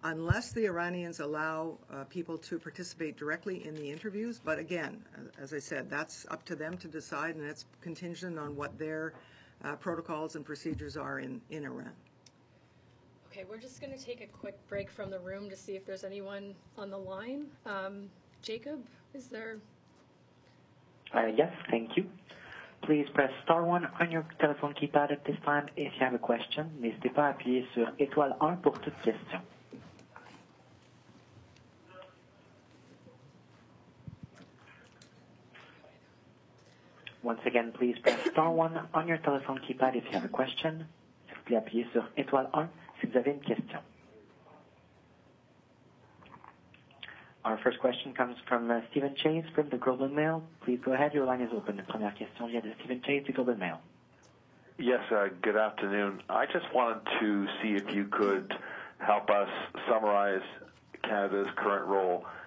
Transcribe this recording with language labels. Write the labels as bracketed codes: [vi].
[en] Unless the Iranians allow people to participate directly in the interviews, but again, as I said, that's up to them to decide, and it's contingent on what their protocols and procedures are in Iran. Okay, we're just going to take a quick break from the room to see if there's anyone on the line. Jacob, is there? Yes, thank you. Please press star 1 on your telephone keypad at this time if you have a question. [fr] N'hésitez pas à appuyer sur étoile 1 pour toute question. [en] Once again, please press star 1 on your telephone keypad if you have a question. [fr] S'il vous plaît, appuyez sur étoile 1 si vous avez une question. [en] Our first question comes from Stephen Chase from the Globe and Mail. Please go ahead. Your line is open. [fr] Première question vient de [en] Stephen Chase, the Globe and Mail. Yes, good afternoon. I just wanted to see if you could help us summarize Canada's current role.